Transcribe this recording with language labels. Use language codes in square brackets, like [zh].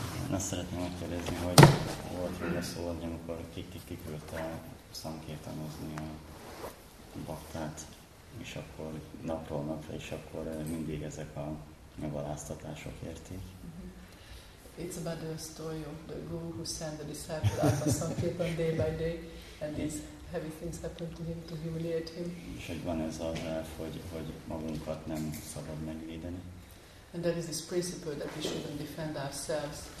[hu] Na szeretném megkérdezni, hogy volt róla szó, hogy amikor kiküldte szankirtanozni a baktát, és akkor napról napra, és akkor mindig ezek a megaláztatások érték. [en] It's about the story of the guru who sent the disciple out of sankirtan day by day, and this heavy things happen to him to humiliate him. [hu] És hogy van ez az elf, hogy magunkat nem szabad megvédeni. [en] And there is this principle that we shouldn't defend ourselves.